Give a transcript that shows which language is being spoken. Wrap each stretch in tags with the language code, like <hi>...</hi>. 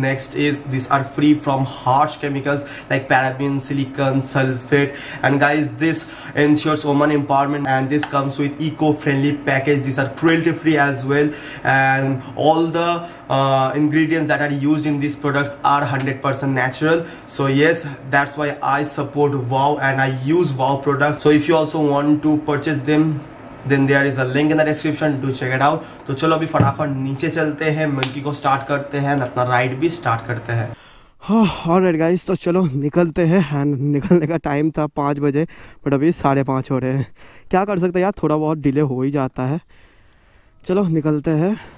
<en>Next is this are free from harsh chemicals like paraben silicone sulphate. And guys this ensures woman empowerment and this comes with eco friendly package. This are cruelty free as well and all the ingredients that are used in this products are 100% natural. So yes that's why I support Wow and I use Wow products. So if you also want to purchase them, then there is a link in the description. Do check it out.</en> <hi>तो चलो अभी फटाफट नीचे चलते हैं, milky को start करते हैं, अपना राइड भी स्टार्ट करते हैं. ऑलराइट गाइस, तो चलो निकलते हैं. एंड निकलने का टाइम था 5 बजे, बट अभी 5:30 हो रहे हैं, क्या कर सकते हैं यार, थोड़ा बहुत डिले हो ही जाता है. चलो निकलते हैं.</hi>